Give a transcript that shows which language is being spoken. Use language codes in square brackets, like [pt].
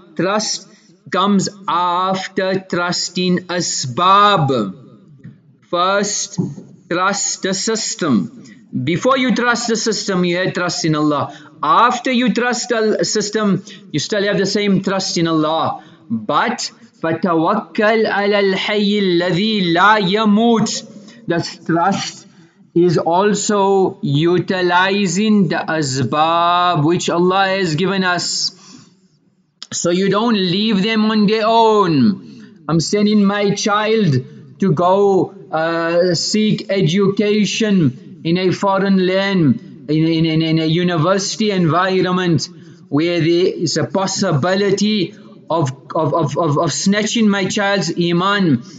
[en] Trust comes after trusting asbab. First, trust the system. Before you trust the system, you had trust in Allah. After you trust the system, you still have the same trust in Allah. [ar] But فَتَوَكَّلْ عَلَى الْحَيِّ الَّذِي لَا يَمُوتْ. [en] The trust is also utilizing the asbab which Allah has given us. So you don't leave them on their own. I'm sending my child to go seek education in a foreign land, in a university environment where there is a possibility of snatching my child's iman.